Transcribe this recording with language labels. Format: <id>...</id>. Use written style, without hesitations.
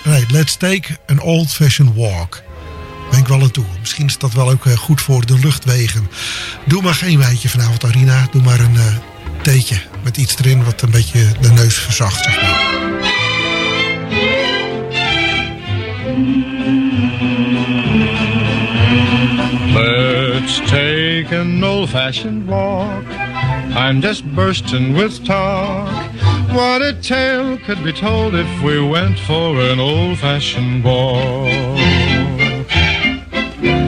<en>Let's take an old fashioned walk.</en> <nl>Ben ik wel aan toe. Misschien is dat wel ook goed voor de luchtwegen. Doe maar geen wijntje vanavond, Arina. Doe maar een theetje met iets erin wat een beetje de neus verzacht, zeg maar.</nl> <en>Let's take an old-fashioned walk. I'm just bursting with talk. What a tale could be told if we went for an old-fashioned walk.</en>